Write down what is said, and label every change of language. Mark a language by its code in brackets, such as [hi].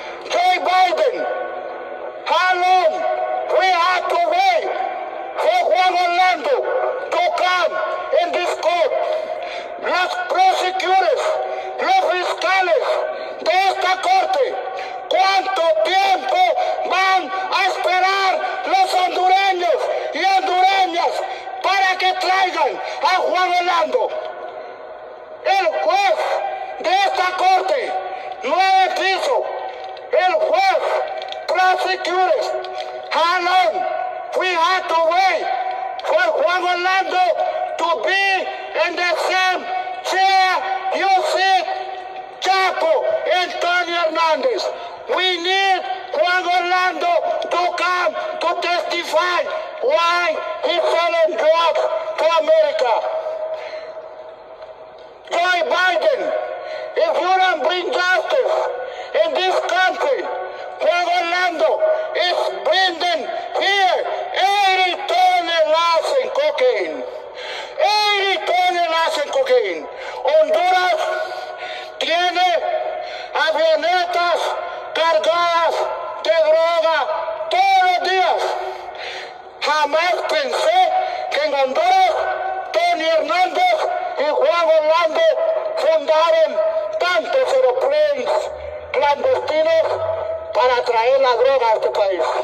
[en] Joe Biden, how long we have to wait for Juan Orlando to come in this court? [es] Los prosecutores, los fiscales de esta corte, ¿cuánto tiempo van a esperar los hondureños y hondureñas para que traigan a Juan Orlando? El juez de esta corte, 9 piso, el juez, [en] prosecutors, how long we have to wait for Juan Orlando to be in the same chair you sit, Chapo and Tony Hernandez? We need Juan Orlando to come to testify why he's selling drugs to America. Joe Biden, if you don't bring justice in this country, Juan Orlando is bringing here 80 [es] toneladas [en] in cocaine. 80 [es] toneladas [en] in cocaine. [es] Honduras tiene avionetas cargadas de droga todos los días. Jamás pensé que en Honduras Tony Hernández y Juan Orlando fundaron tantos aeroplanes clandestinos para traer la droga a este país.